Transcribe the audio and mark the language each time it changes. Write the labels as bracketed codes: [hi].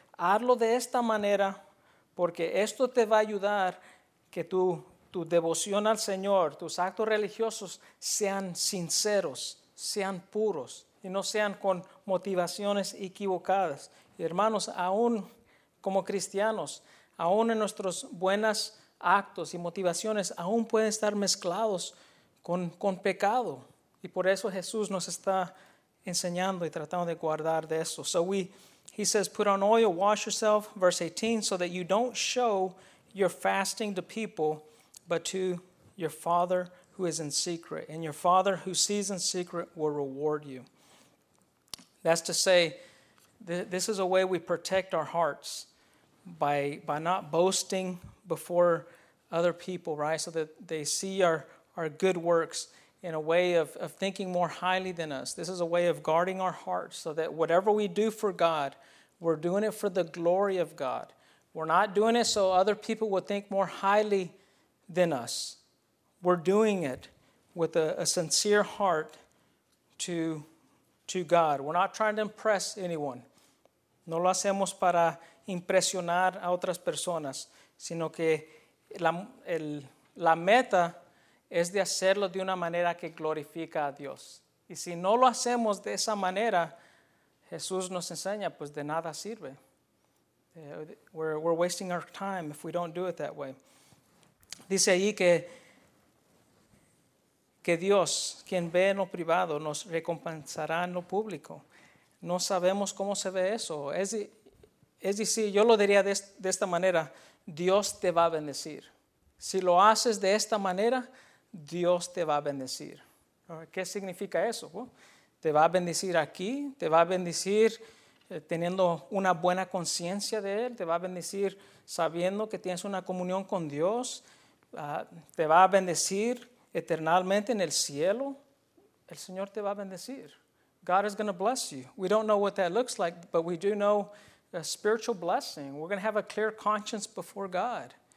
[es] hazlo de esta manera porque esto te va a ayudar que tu devoción al Señor, tus actos religiosos sean sinceros, sean puros y no sean con motivaciones equivocadas. Y hermanos, aún como cristianos, aún en nuestros buenos actos y motivaciones, aún pueden estar mezclados con pecado. Y por eso Jesús nos está enseñando y tratando de guardar de eso. [en] So he says, put on oil, wash yourself, verse 18, so that you don't show your fasting to people, but to your Father who is in secret. And your Father who sees in secret will reward you. That's to say, this is a way we protect our hearts by not boasting before other people, right? So that they see our good works in a way of thinking more highly than us. This is a way of guarding our hearts so that whatever we do for God, we're doing it for the glory of God. We're not doing it so other people will think more highly than us. We're doing it with a sincere heart to God. We're not trying to impress anyone. [es] No lo hacemos para impresionar a otras personas, sino que la meta es de hacerlo de una manera que glorifica a Dios. Y si no lo hacemos de esa manera, Jesús nos enseña, pues de nada sirve. [en] We're wasting our time if we don't do it that way. [es] Dice ahí que Dios, quien ve en lo privado, nos recompensará en lo público. No sabemos cómo se ve eso. Es decir, yo lo diría de esta manera, Dios te va a bendecir. Si lo haces de esta manera, Dios te va a bendecir. ¿Qué significa eso? Te va a bendecir aquí, te va a bendecir teniendo una buena conciencia de Él, te va a bendecir sabiendo que tienes una comunión con Dios, te va a bendecir eternamente en el cielo. El Señor te va a bendecir. [en] God is going to bless you. We don't know what that looks like, but we do know a spiritual blessing. We're going to have a clear conscience before God.